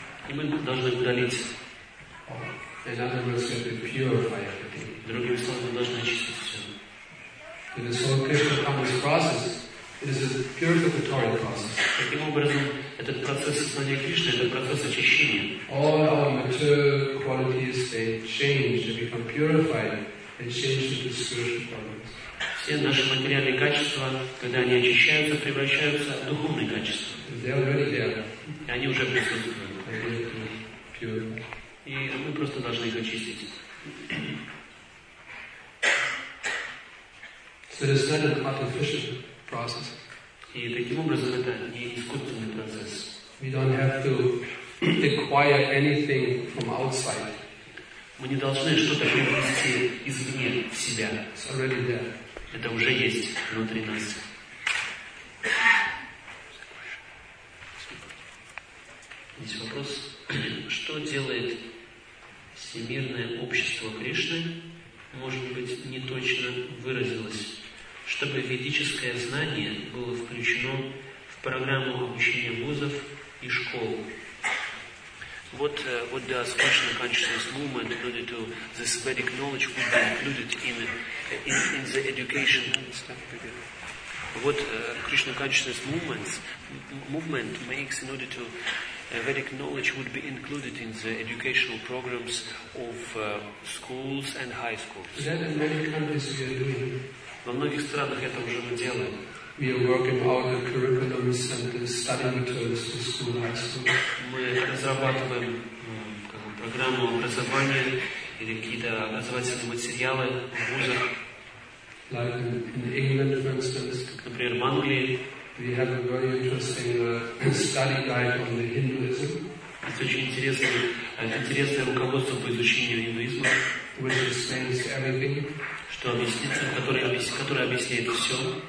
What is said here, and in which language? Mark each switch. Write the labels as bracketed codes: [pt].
[ru] И мы должны удалить. [en] In other words, we have to purify everything. [ru] Другими словами, мы должны очистить все. [en] In the soul, Krishna comes process. It is a purificatory process. [ru] Таким образом, этот процесс сознания Кришны — это процесс очищения. [en] All our material qualities they change, they become purified, and change into spiritual qualities. [ru] Все наши материальные качества, когда они очищаются, превращаются в духовные качества. [en] They are already there. [ru] И они уже присутствуют. [en] They are pure. [ru] И мы просто должны их очистить. [en] So it's not an artificial process. [ru] И таким образом это не искусственный процесс. [en] We don't have to acquire anything from outside. [ru] Мы не должны что-то привести извне в себя. [en] It's already there. [ru] Это уже есть внутри нас. Есть вопрос. Что делает Всемирное общество Кришны? Может быть, не точно выразилось. Чтобы ведическое знание было включено в программу обучения вузов и школ. [en] What does Krishna consciousness movement in order to this Vedic knowledge would be included in the education? What Krishna consciousness movement makes in order to Vedic knowledge would be included in the educational programs of schools and high schools? That in many countries we are doing. [ru] Во многих странах это уже мы делаем. [en] We are working out the curriculums and the study materials for school and high school. [ru] Мы разрабатываем программу образования или какие-то образовательные материалы в вузах. [en] Like in England, for instance. [ru] Как, например, в Англии. [en] We have a very interesting study guide on the Hinduism. [ru] Это очень интересное руководство по изучению индуизма. [en] Which explains everything. [ru] Что объяснится, который объясняет все.